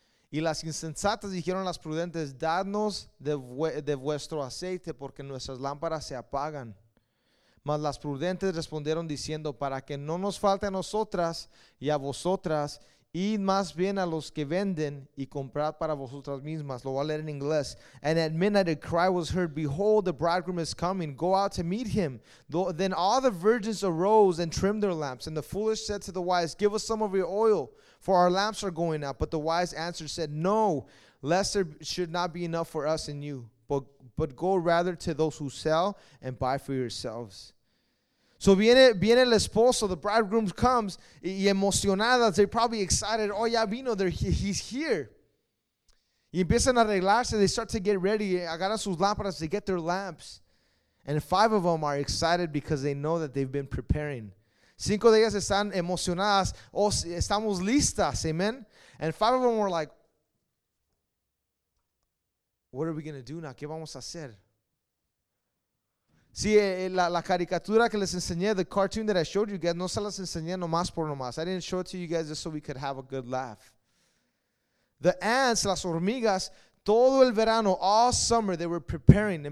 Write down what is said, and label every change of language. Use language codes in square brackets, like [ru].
[es] Y las insensatas dijeron a las prudentes, dadnos de vuestro aceite, porque nuestras lámparas se apagan. Mas las prudentes respondieron diciendo, para que no nos falte a nosotras y a vosotras, y más bien a los que venden, y comprad para vosotras mismas. Lo voy a leer en inglés. [en] And at midnight a cry was heard, behold, the bridegroom is coming, go out to meet him. Then all the virgins arose and trimmed their lamps. And the foolish said to the wise, give us some of your oil, for our lamps are going out. But the wise answered, said, no, lest there should not be enough for us and you. But go rather to those who sell and buy for yourselves. So [es] viene el esposo, [en] the bridegroom comes, [es] y emocionadas, [en] they're probably excited. Oh, [es] ya vino, [en] he's here. [es] Y empiezan a arreglarse, [en] they start to get ready, [es] agarran sus lámparas, [en] they get their lamps. And 5 of them are excited because they know that they've been preparing. [es] 5 de ellas están emocionadas, oh, estamos listas, amen. [en] And 5 of them were like, what are we going to do now? [es] ¿Qué vamos a hacer? Sí, la caricatura que les enseñé, [en] the cartoon that I showed you guys, [es] no se las enseñé nomás por nomás. [en] I didn't show it to you guys just so we could have a good laugh. The ants, [es] las hormigas, todo el verano, [en] all summer, they were preparing.